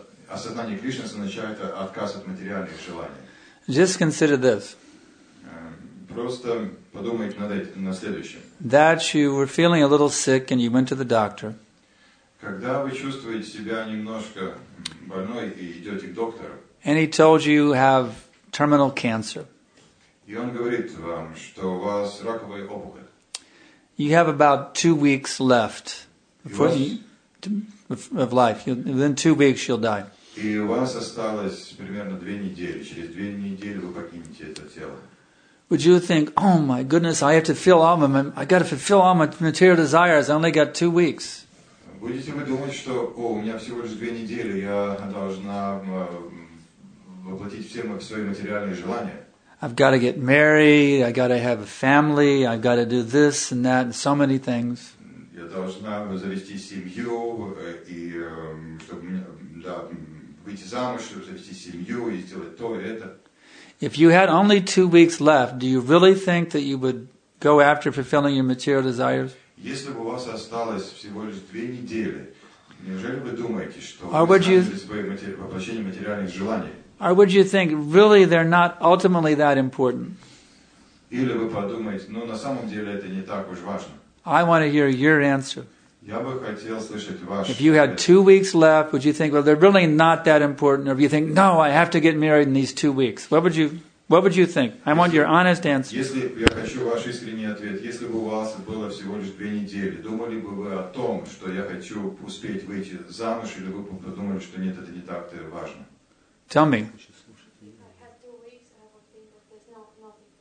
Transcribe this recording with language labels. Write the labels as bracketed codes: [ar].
[ru] Осознание Кришны означает отказ от материальных желаний. [en] Just consider this. [ru] Просто подумайте над этим, на следующем. [en] That you were feeling a little sick and you went to the doctor. [ru] Когда вы чувствуете себя немножко больной и идете к доктору. [en] And he told you have terminal cancer. [ru] И он говорит вам, что у вас раковая опухоль. [en] You have about 2 weeks left of life. Within 2 weeks you'll die. [ru] И у вас осталось примерно 2 недели. Через 2 недели вы покинете это тело. [en] Would you think, oh my goodness, I have to fulfill all my material desires. I only got 2 weeks. [ru] Будете вы думать, что о, у меня всего лишь две недели, я должна воплотить все свои материальные желания? [en] I've got to get married, I've got to have a family, I've got to do this and that and so many things. [ru] Я должна завести семью и чтобы да, выйти замуж, чтобы завести семью и сделать то и это. [en] If you had only 2 weeks left, do you really think that you would go after fulfilling your material desires? [ru] Если бы у вас осталось всего лишь 2 недели, неужели вы думаете, что вы занялись бы воплощением материальных желаний? [en] Or would you think, really, they're not ultimately that important? [ru] Или вы подумаете, ну, на самом деле это не так уж важно. [en] I want to hear your answer. [ru] Я бы хотел слышать ваш. [en] If you had 2 weeks left, would you think, well, they're really not that important? Or if you think, no, I have to get married in these 2 weeks. What would you think? I want your honest answer. [ru] Если я хочу ваш искренний ответ, если бы у вас было всего лишь 2 недели, думали бы вы о том, что я хочу успеть выйти замуж, или вы бы подумали, что нет, это не так-то важно? [en] Tell me. If I had 2 weeks, I would think that there's not important.